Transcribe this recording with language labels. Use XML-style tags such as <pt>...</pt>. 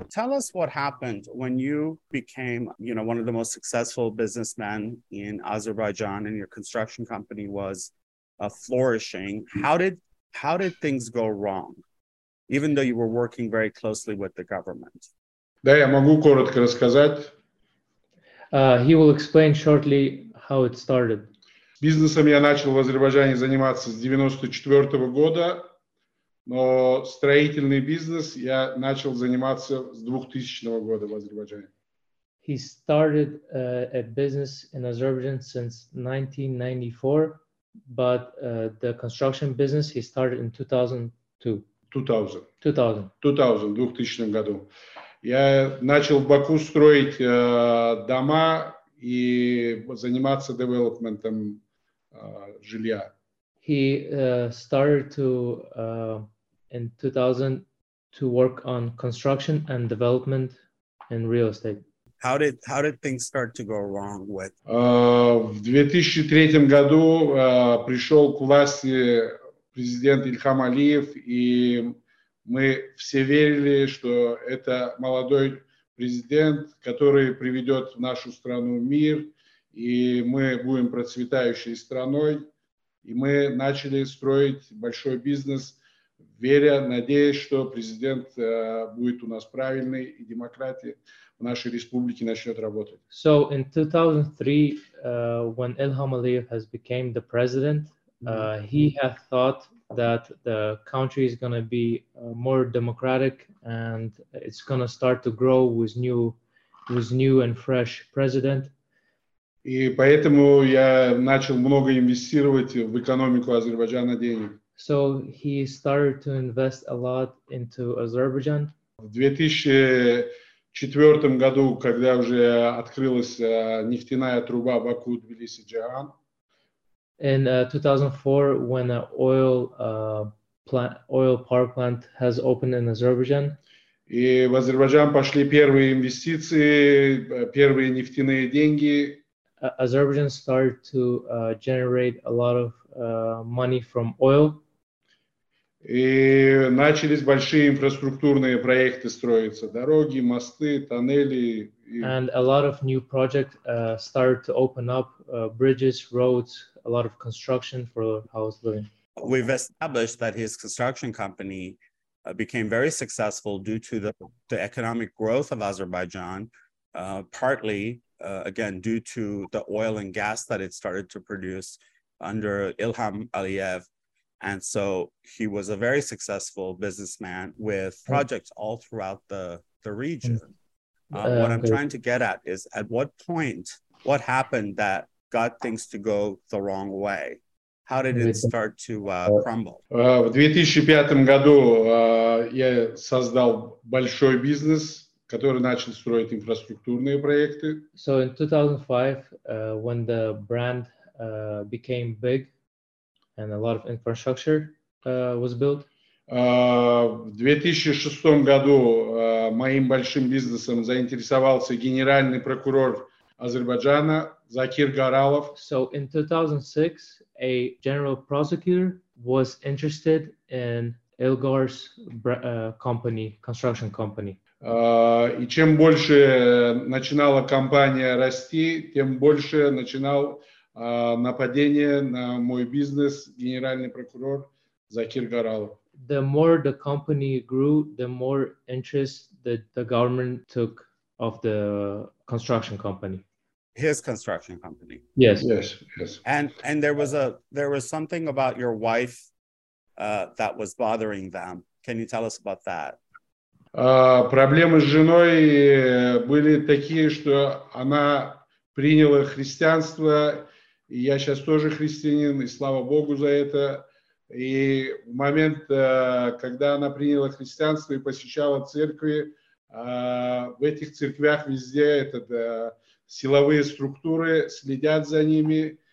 <en>Tell us what happened when you became, you know, one of the most successful businessmen in Azerbaijan and your construction company was flourishing. How did things go wrong, even though you were working very closely with the government?</en> <ru>Да, я могу коротко рассказать.</ru> <en>He will explain shortly how it started.</en> <ru>Бизнесом я начал в Азербайджане заниматься с 94 года, но строительный бизнес я начал заниматься с 2000 года в Азербайджане.</ru> <en>He started a business in Azerbaijan since 1994, but the construction business he started in 2002.</en> <ru>2000 году. Я начал в Баку строить дома и заниматься девелопментом жилья.</ru> <en>He started to in 2000 to work on construction and development in real estate. How did things start to go wrong with?</en> <ru>В 2003 году пришел к власти президент Ильхам Алиев, и мы все верили, что это молодой президент, который приведет в нашу страну мир, и мы будем процветающей страной. И мы начали строить большой бизнес, веря, надеясь, что президент будет у нас правильный, и демократия в нашей республике начнет работать.</ru> <en>So in 2003, when Ilham Aliyev has became the president, he had thought that the country is going to be more democratic and it's going to start to grow with new and fresh president.</en> <ru>И поэтому я начал много инвестировать в экономику Азербайджана денег.</ru> <en>So he started to invest a lot into Azerbaijan.</en> <ru>В 2004 году, когда уже открылась нефтяная труба Баку-Тбилиси-Джаган,</ru> <en>In 2004, when an oil power plant has opened in Azerbaijan.</en> <ru>И в Азербайджан пошли первые инвестиции, первые нефтяные деньги.</ru> <en>Azerbaijan started to generate a lot of money from oil.</en> <ru>И начались большие инфраструктурные проекты строиться. Дороги, мосты, тоннели.</ru> <en>And a lot of new projects started to open up, bridges, roads, a lot of construction for house living. We've established that his construction company became very successful due to the economic growth of Azerbaijan, partly, again, due to the oil and gas that it started to produce under Ilham Aliyev. And so he was a very successful businessman with projects all throughout the region. What I'm trying to get at is at what point, what happened that got things to go the wrong way? How did it start to crumble?</en> <ru>В 2005 году я создал большой бизнес, который начал строить инфраструктурные проекты.</ru> <en>So in 2005, when the brand became big, and a lot of infrastructure was built.</en> <ru>В 2006 году моим большим бизнесом заинтересовался генеральный прокурор Азербайджана Закир Гаралов.</ru> <en>So in 2006, a general prosecutor was interested in Ilgar's company, construction company.</en> <ru>И чем больше начинала компания расти, тем больше начинал нападение на мой бизнес генеральный прокурор Закир Гаралов.</ru> <en>The more the company grew, the more interest that the government took of the construction company. His construction company. Yes. And there was something about your wife that was bothering them. Can you tell us about that?</en> <ru>Проблемы с женой были такие, что она приняла христианство. Я сейчас тоже христианин, и слава Богу за это. И в момент, когда она приняла христианство и посещала церкви, в этих церквях везде силовые структуры следят за ними.</ru>